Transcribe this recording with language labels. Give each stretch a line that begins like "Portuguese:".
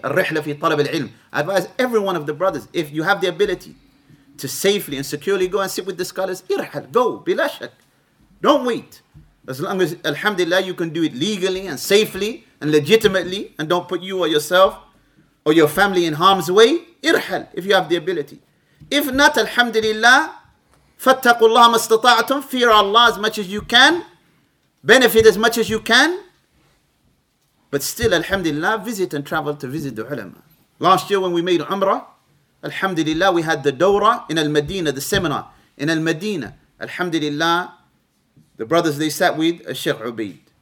Arabic: Al-Rihla fi talab al-ilm.
English: I advise every one of the brothers, if you have the ability to safely and securely go and sit with the scholars, irhal, go, bila shak. Don't wait. As long as, alhamdulillah, you can do it legally and safely and legitimately and don't put you or yourself or your family in harm's way, irhal, if you have the ability. If not, alhamdulillah,
Arabic: فَاتَّقُوا اللَّهَ مَا اسْتَطَاعْتُمْ.
English: Fear Allah as much as you can. Benefit as much as you can. But still, alhamdulillah, visit and travel to visit the ulama. Last year when we made Umrah, alhamdulillah, we had the Dawra in Al-Madinah, the seminar in Al-Madinah. Alhamdulillah, the brothers they sat with, Sheikh Ubaid.